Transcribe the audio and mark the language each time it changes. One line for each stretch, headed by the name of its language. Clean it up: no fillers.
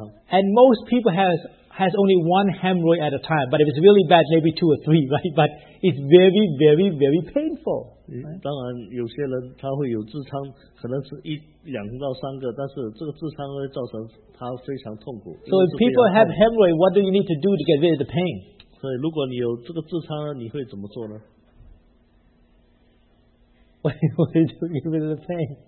English: And most people has only one hemorrhoid at a time, but if it's really bad, maybe two or three, right? But it's very, very, very painful. Right?
Chinese: 当然有些人他会有痔疮, 可能是一两到三个, 但是这个痔疮会造成他非常痛苦,
English: so if people have hemorrhoid, what do you need to do to get rid of the pain?
Chinese: 所以如果你有这个痔疮, 你会怎么做呢?
English: What do you need to get rid of the pain?